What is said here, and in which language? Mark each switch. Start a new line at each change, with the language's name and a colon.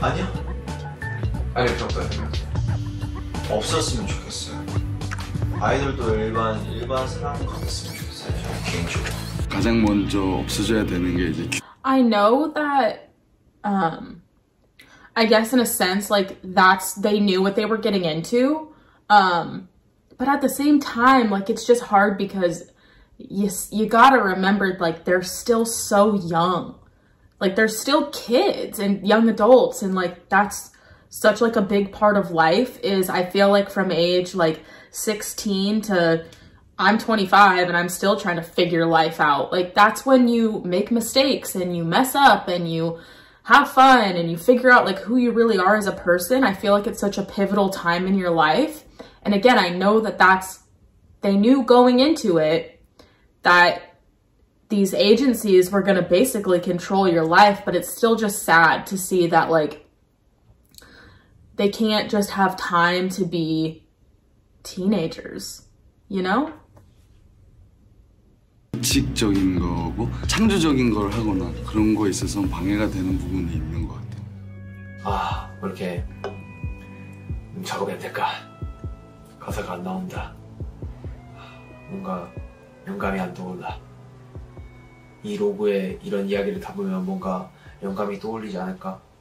Korean: 아이들한테 규칙 필요하다고 생각해요? 아니요. 아니, 그렇다 없었으면 좋겠어요. 아이들도 일반 사람으로 됐으면 좋겠어요. 개인적으로. 가장 먼저 없어져야 되는 게 이제
English: I know that, I guess in a sense, like, that's, they knew what they were getting into, but at the same time, like, it's just hard because You gotta remember, like, they're still so young. Like, they're still kids and young adults. And, like, that's such, like, a big part of life is I feel like from age, like, 16 to I'm 25 and I'm still trying to figure life out. Like, that's when you make mistakes and you mess up and you have fun and you figure out, like, who you really are as a person. I feel like it's such a pivotal time in your life. And, again, I know that that's they knew going into it that these agencies were going to basically control your life, but it's still just sad to see that, like, they can't just have time to be teenagers, you know?
Korean: 규칙적인 거고 창조적인 걸 하거나 그런 거 있어서 방해가 되는 부분이 있는 것 같아요. 아, 왜 이렇게 작업해야 될까? 가사가 안 나온다. 뭔가 영감이 안 떠올라. 이 로고에 이런 이야기를 담으면 뭔가 영감이 떠올리지 않을까?